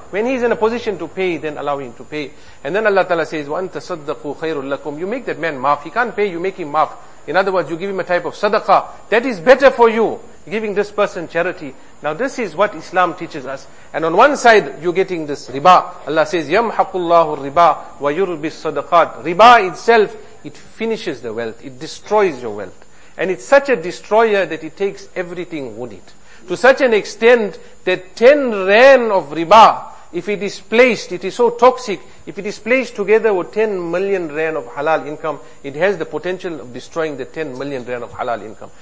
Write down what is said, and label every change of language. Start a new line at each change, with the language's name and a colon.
English: When he's in a position to pay, then allow him to pay. And then Allah Ta'ala says,
Arabic: وَأَنْ تَصَدَّقُوا خَيْرٌ لَكُمْ.
English: You make that man maaf. He can't pay, you make him maaf. In other words, you give him a type of sadaqah. That is better for you, giving this person charity. Now this is what Islam teaches us. And on one side, you're getting this riba. Allah says,
Arabic: يَمْحَقُ اللَّهُ الرِّبَا وَيُرْبِي الصَّدَقَاتِ.
English: Riba itself, it finishes the wealth. It destroys your wealth. And it's such a destroyer that it takes everything with it. To such an extent that 10 ran of riba, if it is placed, it is so toxic, if it is placed together with 10 million ran of halal income, it has the potential of destroying the 10 million ran of halal income.